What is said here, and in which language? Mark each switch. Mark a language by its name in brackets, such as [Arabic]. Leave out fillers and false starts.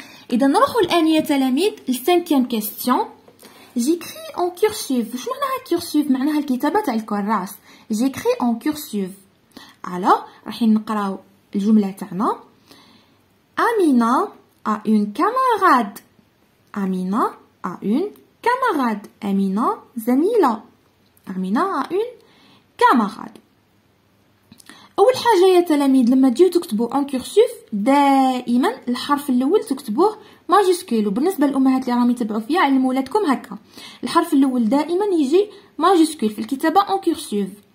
[Arabic] اذا نروحوا الان يا تلاميذ للسانكيام كيستيون. [French] جيكري اون كورسيف، [Arabic] واش معناها كورسيف؟ معناها الكتابه تاع الكراس. [French] جيكري اون كورسيف، [Arabic] الوغ راح نقراو الجمله تاعنا. [French] امينا a une camarade. Amina a une camarade. [Arabic] Amina زميلة. [French] Amina a une camarade. [Arabic] أول حاجة يا تلاميذ لما تجيو تكتبوا [French] en cursif [Arabic] دائما الحرف الأول تكتبوه ماجيسكول. وبالنسبة للأمهات اللي راهم يتبعوا فيها علموا ولادكم هكا، الحرف الأول دائما يجي ماجيسكول في الكتابة [French] en cursif.